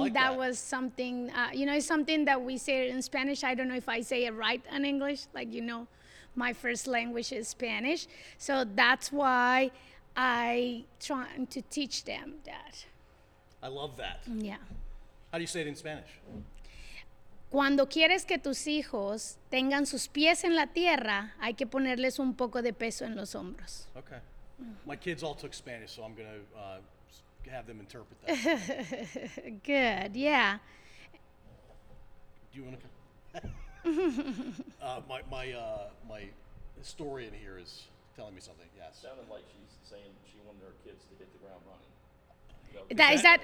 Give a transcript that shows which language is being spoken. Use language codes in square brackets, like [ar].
[en] I like that was something, you know, it's something that we say in Spanish. I don't know if I say it right in English, like, you know, my first language is Spanish. So that's why I try to teach them that. I love that. Yeah. How do you say it in Spanish? [es] Cuando quieres que tus hijos tengan sus pies en la tierra, hay que ponerles un poco de peso en los hombros. [en] Okay. My kids all took Spanish, so I'm going to have them interpret that. Good. Yeah. Do you want to come? my historian here is telling me something. Yes. Sounded like she's saying she wanted her kids to hit the ground running.